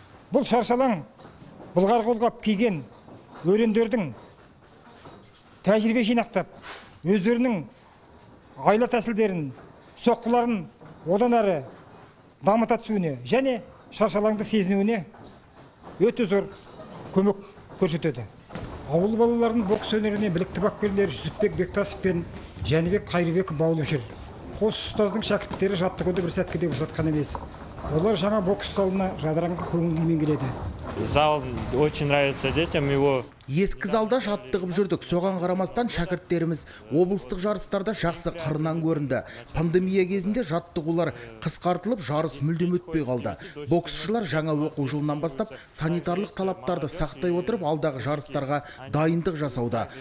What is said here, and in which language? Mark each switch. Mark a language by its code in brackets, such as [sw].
[kk] Бұл шаршалаң бұлғары қолғап киген өрендердің тәжірибе жинақтап, өздерінің айла тәсілдерін, соққыларын одан әрі дамыта түсуіне және шаршалаңды сезінуіне өте зор көмек көрсетеді. Ауыл балаларының бокс өнеріне білікті бапкерлер Жүсіпбек Бектасов пен Жәнібек Қайырбек баулып жүр. Қос ұстаздың шәкірттері жаттығуды бір сәтке де ұзатқан емес. Олар жаңа бокс залына жадыраңқы көңілмен келеді. [ru] Зал очень нравится детям его. [kk] Ескі залда жаттығып жүрдік. Соған қарамастан шәкірттеріміз облыстық жарыстарда жақсы қырынан көрінді. Пандемия кезінде жаттығулар қысқартылып, жарыс мүлдем өтпей қалды. Боксшылар жаңа оқу жылынан бастап санитарлық талаптарды сақтай отырып, алдағы жарыстарға дайындық жасауда.